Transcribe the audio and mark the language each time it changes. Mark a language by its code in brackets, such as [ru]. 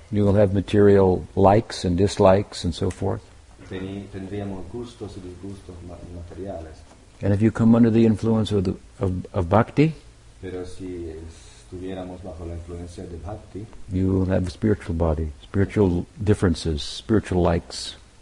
[en] You will have material likes and dislikes and so forth. [es] Tendríamos gustos y disgustos materiales. [en] And if you come under the influence of bhakti, [es] pero si estuviéramos bajo la influencia de bhakti, [en] you will have a spiritual body, spiritual differences, spiritual likes.